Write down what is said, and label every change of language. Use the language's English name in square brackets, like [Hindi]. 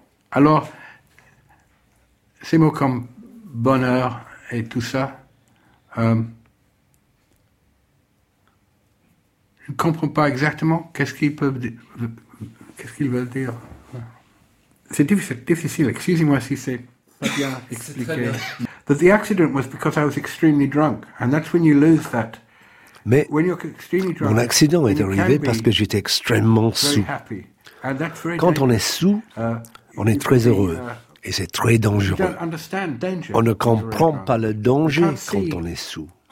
[French] Alors, ces mots comme bonheur et tout ça, je ne comprends pas exactement qu'est-ce qu'ils veulent dire. C'est difficile. Excusez-moi si c'est pas bien expliqué. [English] But the accident was because I was extremely drunk, and that's when you lose that. [French] Mais mon accident est arrivé parce que j'étais extrêmement sous. Quand on est sous, on est très heureux. Et c'est très dangereux. On ne comprend pas le danger quand on est sous.